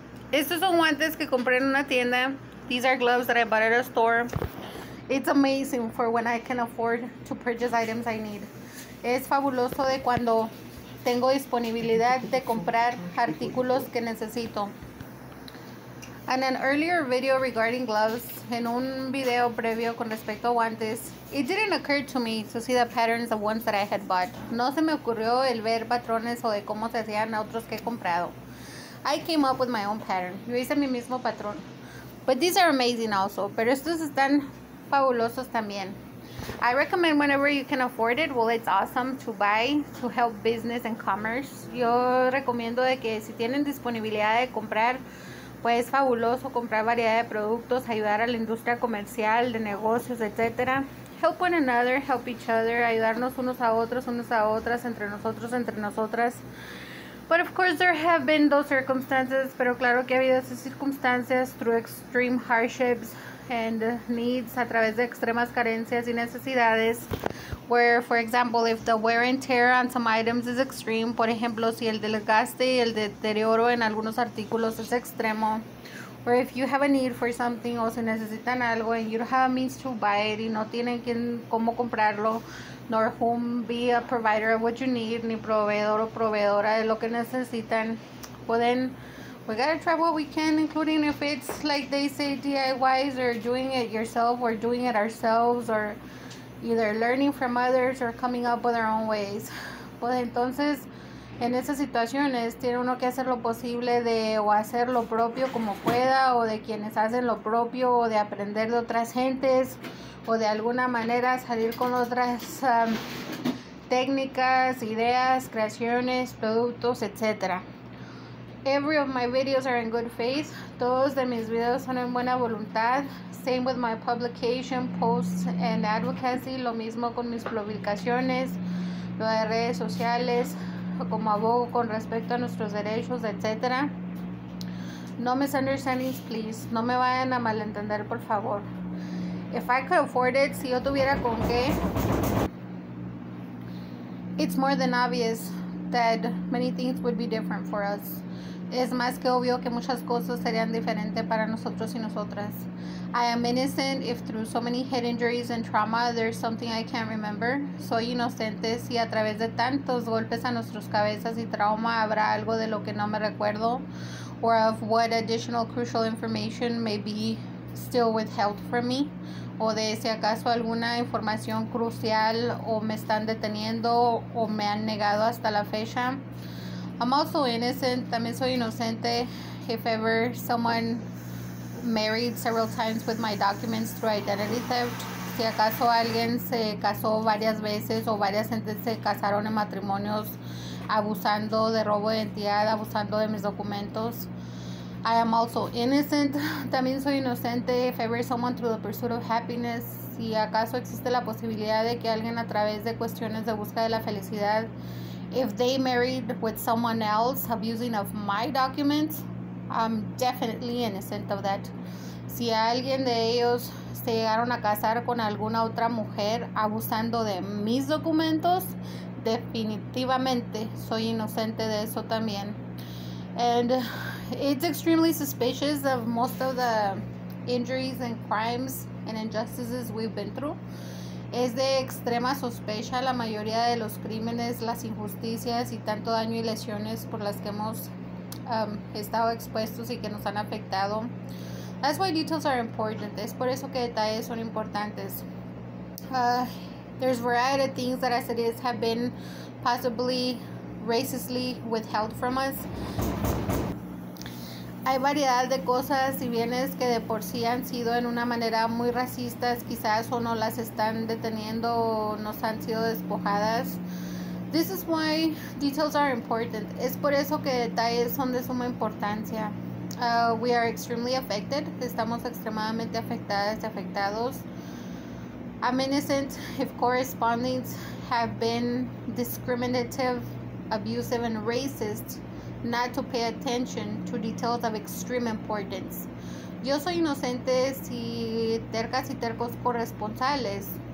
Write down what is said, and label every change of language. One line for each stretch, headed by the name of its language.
Spanish: Estos son guantes que compré en una tienda.
English: These are gloves that I bought at a store. It's amazing for when I can afford to purchase items I need.
Spanish: Es fabuloso de cuando tengo disponibilidad de comprar artículos que necesito.
English: In an earlier video regarding gloves,
Spanish: en un video previo con respecto a guantes,
English: it didn't occur to me to see the patterns of ones that I had bought.
Spanish: No se me ocurrió el ver patrones o de cómo se hacían a otros que he comprado.
English: I came up with my own pattern.
Spanish: Yo hice mi mismo patrón.
English: But these are amazing also.
Spanish: Pero estos están fabulosos también.
English: I recommend whenever you can afford it. Well, it's awesome to buy to help business and commerce.
Spanish: Yo recomiendo de que si tienen disponibilidad de comprar, pues es fabuloso comprar variedad de productos, ayudar a la industria comercial, de negocios, etc.
English: Help one another, help each other,
Spanish: ayudarnos unos a otras, entre nosotros, entre nosotras.
English: But of course there have been those circumstances,
Spanish: pero claro que ha habido esas circunstancias
English: through extreme hardships and needs,
Spanish: a través de extremas carencias y necesidades,
English: where, for example, if the wear and tear on some items is extreme,
Spanish: por ejemplo, si el desgaste y el deterioro en algunos artículos es extremo,
English: or if you have a need for something,
Spanish: o si necesitan algo,
English: and you don't have a means to buy it,
Spanish: y no tienen quien cómo comprarlo,
English: nor whom be a provider of what you need,
Spanish: ni proveedor o proveedora de lo que necesitan, pueden...
English: We gotta try what we can, including if it's like they say, DIYs, or doing it yourself, or doing it ourselves, or either learning from others or coming up with our own ways.
Spanish: Pues entonces, en esas situaciones, tiene uno que hacer lo posible de o hacer lo propio como pueda, o de quienes hacen lo propio, o de aprender de otras gentes, o de alguna manera salir con otras técnicas, ideas, creaciones, productos, etc.
English: Every of my videos are in good faith.
Spanish: Todos de mis videos son en buena voluntad.
English: Same with my publication, posts, and advocacy.
Spanish: Lo mismo con mis publicaciones, lo de redes sociales, como abogo con respecto a nuestros derechos, etc.
English: No misunderstandings, please.
Spanish: No me vayan a malentender, por favor.
English: If I could afford it,
Spanish: si yo tuviera con qué,
English: it's more than obvious that many things would be different for us.
Spanish: Es más que obvio que muchas cosas serían diferentes para nosotros y nosotras.
English: I am innocent if through so many head injuries and trauma there's something I can't remember.
Spanish: Soy inocente si a través de tantos golpes a nuestras cabezas y trauma habrá algo de lo que no me recuerdo,
English: or of what additional crucial information may be still withheld from me,
Spanish: o de si acaso alguna información crucial o me están deteniendo o me han negado hasta la fecha.
English: I'm also innocent,
Spanish: también soy inocente,
English: if ever someone married several times with my documents through identity theft.
Spanish: Si acaso alguien se casó varias veces o varias gentes se casaron en matrimonios abusando de robo de identidad, abusando de mis documentos.
English: I am also innocent,
Spanish: también soy inocente,
English: if ever someone through the pursuit of happiness.
Spanish: Si acaso existe la posibilidad de que alguien a través de cuestiones de búsqueda de la felicidad,
English: if they married with someone else abusing of my documents, I'm definitely innocent of that.
Spanish: Si alguien de ellos se llegaron a casar con alguna otra mujer abusando de mis documentos, definitivamente soy inocente de eso también.
English: And it's extremely suspicious of most of the injuries and crimes and injustices we've been through.
Spanish: Es de extrema sospecha la mayoría de los crímenes, las injusticias y tanto daño y lesiones por las que hemos estado expuestos y que nos han afectado.
English: That's why details are important.
Spanish: Es por eso que detalles son importantes.
English: There's a variety of things that as it is have been possibly racistly withheld from us.
Spanish: Hay variedad de cosas y bienes que de por sí han sido en una manera muy racistas, quizás o no las están deteniendo o nos han sido despojadas.
English: This is why details are important.
Spanish: Es por eso que detalles son de suma importancia.
English: We are extremely affected.
Spanish: Estamos extremadamente afectadas y afectados.
English: I'm innocent if correspondents have been discriminative, abusive, and racist. Not to pay attention to details of extreme importance.
Spanish: Yo soy inocente si tercas y tercos corresponsales